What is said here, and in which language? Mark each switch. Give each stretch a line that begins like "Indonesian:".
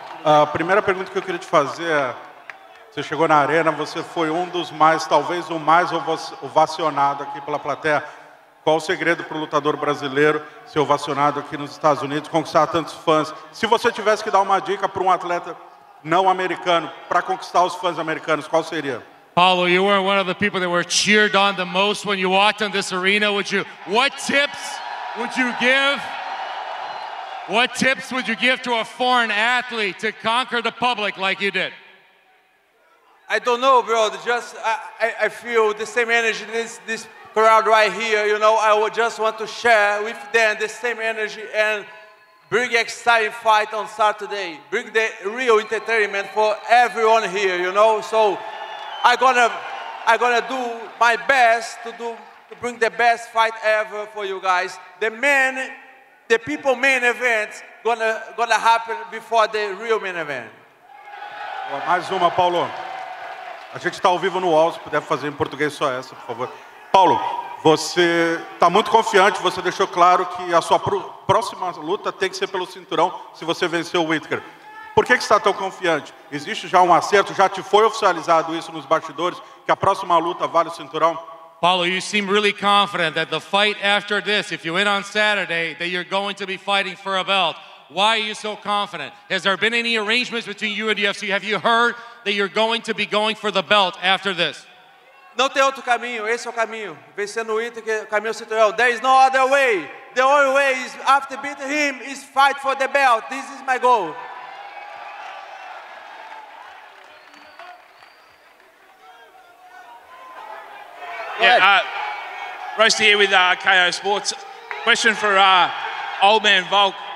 Portuguese: A primeira pergunta que eu queria te fazer é, você chegou na arena, você foi um dos mais, talvez o mais ovacionado aqui pela plateia. Qual o segredo para o lutador brasileiro ser ovacionado aqui nos Estados Unidos, conquistar tantos fãs? Se você tivesse que dar uma dica para um atleta não americano, para conquistar os fãs americanos, qual seria?
English: Paulo, you were one of the people that were cheered on the most when you walked in this arena. What tips would you give to a foreign athlete to conquer the public like you did? I don't know, bro. Just I feel the same energy in this crowd right here. You know, I would just want to share with them the same energy and bring exciting fight on Saturday. Bring the real entertainment for everyone here, you know? So I'm gonna do my best to bring the best fight ever for you guys. The main event gonna happen before the real main event.
Portuguese: Mais uma, Paulo. A gente está ao vivo no UOL, se puder fazer em português só essa, por favor. Paulo, você está muito confiante, você deixou claro que a sua próxima luta tem que ser pelo cinturão se você vencer o Whittaker. Por que está tão confiante? Existe já um acerto? Já te foi oficializado isso nos bastidores, que a próxima luta vale o cinturão?
English: Paulo, you seem really confident that the fight after this, if you win on Saturday, that you're going to be fighting for a belt. Why are you so confident? Has there been any arrangements between you and the UFC? Have you heard that you're going to be going for the belt after this?
Portuguese: Não tem outro caminho, esse é o caminho. Vencendo o Whittaker, caminho cinturão.
English: There is no other way. The only way is after beating him is fight for the belt. This is my goal. Yeah, Roasty here with KO Sports. Question for Old Man Volk.